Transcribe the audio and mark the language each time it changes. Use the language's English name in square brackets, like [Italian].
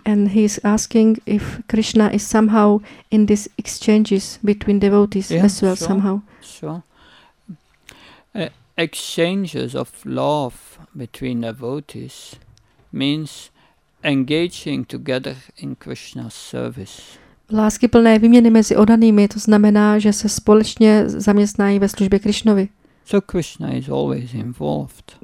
[English] And he's asking if Krishna is somehow in these exchanges between devotees as well, sure, somehow. Sure. Exchanges of love between devotees means engaging together in Krishna's service. [Czech] Láskyplné výměny mezi oddanými, to znamená, že se společně zaměstnají ve službě Krišnovi. [English] So Krishna is always involved.